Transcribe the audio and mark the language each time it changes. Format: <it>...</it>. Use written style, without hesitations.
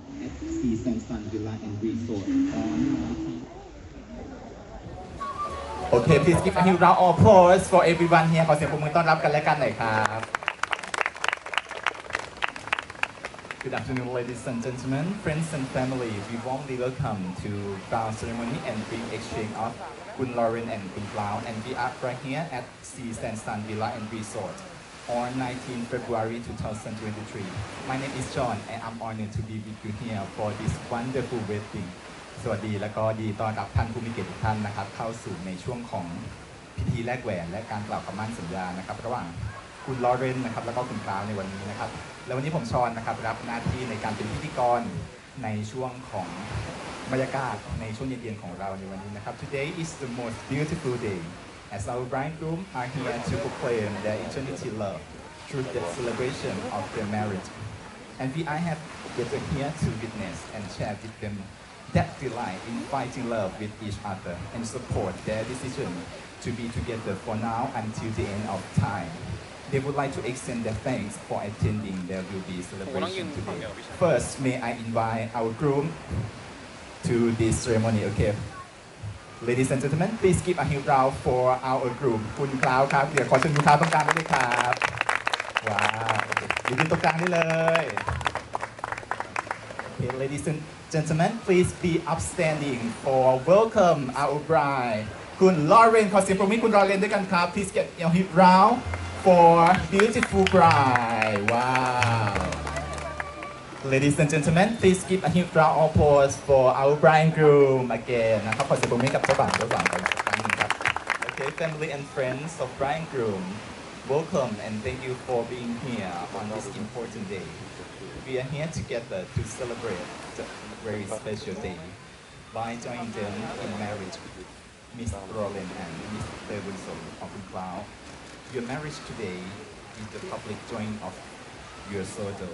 <en>FC Samson Villa and Resort โอเค please give a huge round of applause for everyone here</en> <th>ขอเสียงปรบมือต้อนรับกันและกันหน่อยครับ</th> <en>Good afternoon ladies and gentlemen, friends and family. We warmly welcome to Vow Ceremony and Ring Exchange of Kun Lauren and Kun Klaow and we are right here at C Samson Villa and Resort on 19 February 2023. My name is John and I'm honored to be with you here for this wonderful wedding.</en> <th>สวัสดีและก็ดีต้อนรับท่านผู้มีเกียรติทุกท่านนะครับเข้าสู่ในช่วงของพิธีแลกแหวนและการกล่าวคำมั่นสัญญานะครับระหว่างคุณลอเรนนะครับแล้วก็คุณกราวในวันนี้นะครับและวันนี้ผมฌอนนะครับรับหน้าที่ในการเป็นพิธีกรในช่วงของ บรรยากาศในช่วงเย็นๆของเราในวันนี้นะครับ</th> <en>Today is the most beautiful day as our bridegroom are here to proclaim their eternity love through the celebration of their marriage and we I have gathered here to witness and share with them that delight in finding love with each other and support their decision to be together for now until the end of time. They would like to extend their thanks for attending their ruby celebration today. First, may I invite our groom to this ceremony, okay? Ladies and gentlemen, please give a huge round for our groom.</en> <th>คุณคลาวครับเดี๋ยวขอเชิญคุณคลาวตรงกลางด้วยครับว้าวอยู่ที่ตรงกลางนี่เลย</th> <en>Okay, ladies and gentlemen, please be upstanding for welcome our bride,</en> <th>คุณลอเรนขอเสียงปรบมือคุณลอเรนด้วยกันครับ</th> <en>Please give a huge roundFor beautiful bride, wow! Ladies and gentlemen, please give a huge round of applause for our bride and groom again.</en> <th>นะครับขอเสียงปรบมือกับเจ้าบ่าวเจ้าสาวกันอีกครั้งนึงครับ</th> <en>Okay, family and friends of bride and groom, welcome and thank you for being here on this important day. We are here together to celebrate the very special day by joining them in marriage, Miss Roland and Miss Davidson of the Klaow. Your marriage today is the public joint of your soul.</en>